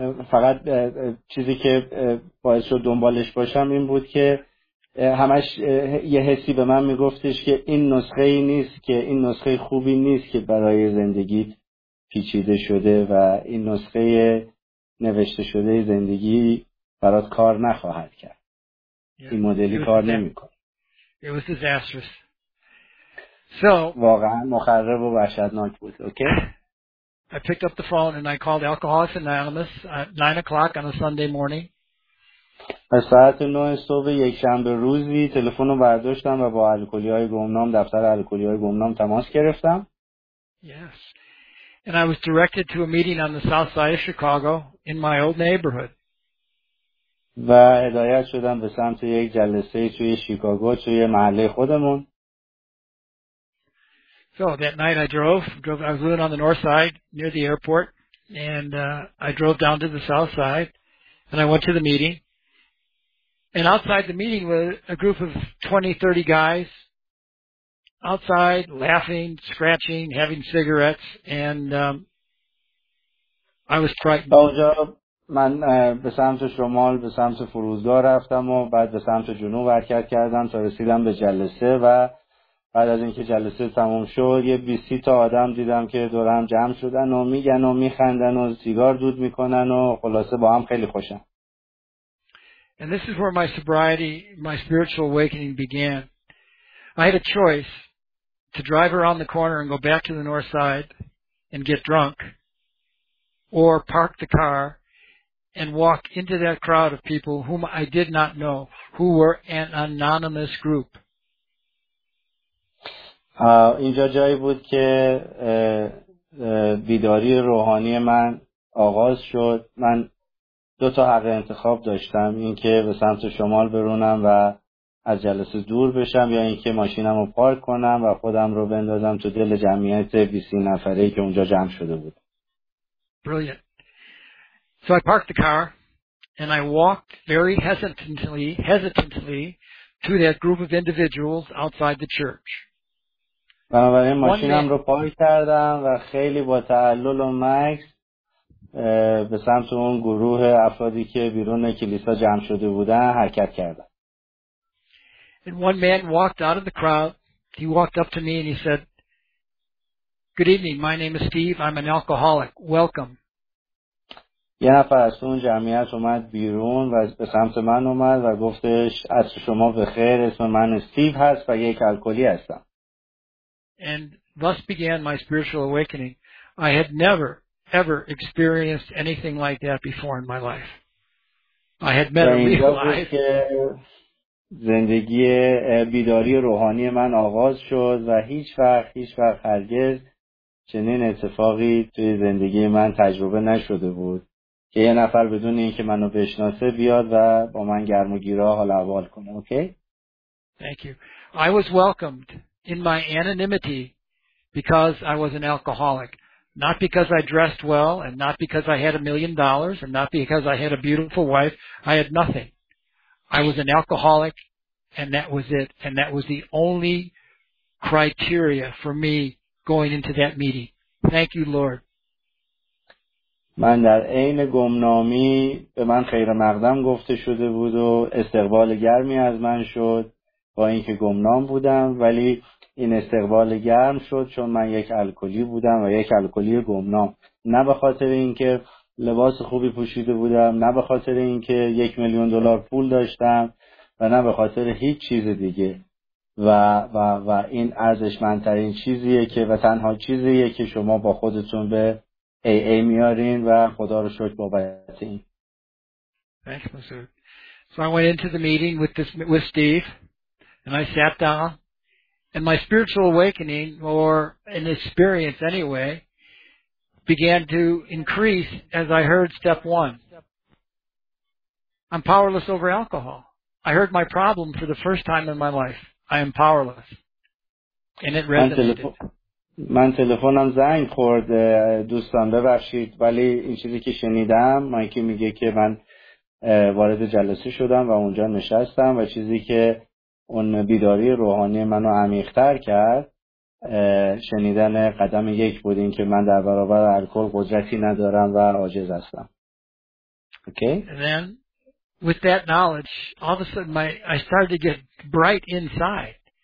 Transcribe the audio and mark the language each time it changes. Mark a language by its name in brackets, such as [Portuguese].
[Persian] فقط چیزی که باعث شد دنبالش باشم این بود که همش یه حسی به من میگفتش که این نسخه‌ای نیست، که این نسخه خوبی نیست که برای زندگیت پیچیده شده و این نسخه نوشته شده زندگی برات کار نخواهد کرد. [English] Yeah. [Persian] این مدلی کار نمی‌کنه. [English] It was disastrous. So, [Persian] واقعا مخرب و وحشتناک بود. اوکی. [English] Okay? I picked up the phone and I called Alcoholics Anonymous at 9:00 on a Sunday morning. [Persian] از ساعت 9 صبح یک شنبه روزی تلفن رو برداشتم و با الکلی‌های گمنام، دفتر الکلی‌های گمنام تماس گرفتم. [English] Yes. And I was directed to a meeting on the south side of Chicago in my old neighborhood. [Persian] و هدایت شدم به سمت یک جلسه توی شیکاگو توی محله خودمون. [English] So that night I drove I was living on the north side near the airport and I drove down to the south side and I went to the meeting. And outside the meeting were a group of 20-30 guys outside laughing, scratching, having cigarettes, and I was frightened. [Persian] اونجا من به سمت شمال به سمت فرودگاه رفتم و بعد به سمت جنوب حرکت کردم تا رسیدم به جلسه و بعد از اینکه جلسه تموم شد یه 20 تا آدم دیدم که دورم جمع شدن و میگن و میخندن و سیگار دود میکنن و خلاصه با هم خیلی خوشم. [English] And this is where my sobriety, my spiritual awakening began. I had a choice to drive around the corner and go back to the north side and get drunk, or park the car and walk into that crowd of people whom I did not know, who were an anonymous group. [Persian] اینجا جایی بود که بیداری روحانی من آغاز شد. من دو تا حق انتخاب داشتم، اینکه به سمت شمال برونم و از جلسه دور بشم، یا اینکه ماشینم رو پارک کنم و خودم رو بندازم تو دل جمعیت 20 نفره ای که اونجا جمع شده بود. [English] Brilliant. So I parked the car and I walked very hesitantly to that group of individuals outside the church. [Persian] بنابراین ماشینم رو پارک کردم و خیلی با تعلل و مکث به سمت اون گروه افرادی که بیرون کلیسا جمع شده بودن حرکت کردم. [English] And one man walked out of the crowd. He walked up to me and he said, "Good evening. My name is Steve. I'm an alcoholic. Welcome." [Persian] یه نفر از اون جمعیت اومد بیرون و به سمت من اومد و گفتش، "از شما بخیر. اسم من استیو هست و یک الکلی هستم." [English] And thus began my spiritual awakening. I had never, ever experienced anything like that before in my life. I had met a realized. [Persian] زندگی بیداری روحانی من آغاز شد و هیچ وقت هرگز چنین اتفاقی توی زندگی من تجربه نشده بود که یه نفر بدون اینکه منو بشناسه بیاد و با من گرم و گیرا حال احوال کنه. اوکی؟ [English] Thank you. I was welcomed in my anonymity because I was an alcoholic, not because I dressed well and not because I had $1 million and not because I had a beautiful wife. I had nothing. I was an alcoholic, and that was it. And that was the only criteria for me going into that meeting. Thank you, Lord. [Persian] من در عین گمنامی به من خیر مقدم گفته شده بود و استقبال گرمی از من شد با اینکه گمنام بودم، ولی این استقبال گرم شد چون من یک الکلی بودم و یک الکلی گمنام، نه به خاطر اینکه لباس خوبی پوشیده بودم، نه به خاطر اینکه [English] $1 million [Persian] پول داشتم و نه به خاطر هیچ چیز دیگه، و این ارزشمندترین چیزیه که و تنها چیزیه که شما با خودتون به AA میارین و خدا رو شکر بابت این. [English] Thanks, Mr. So I went into the meeting with Steve and I sat down and my spiritual awakening or an experience anyway began to increase as I heard step one. I'm powerless over alcohol. I heard my problem for the first time in my life. I am powerless. And it resonated. [Persian] من تلفنم زنگ خورد دوستان ببخشید، ولی این چیزی که شنیدم، مایکی میگه که من وارد جلسه شدم و اونجا نشستم و چیزی که اون بیداری روحانی منو عمیق‌تر کرد شنیدن قدم یک بود، این که من در برابر الکل قدرتی ندارم و عاجز هستم. Okay. [English] And then with that knowledge, all of a sudden I started to get bright inside.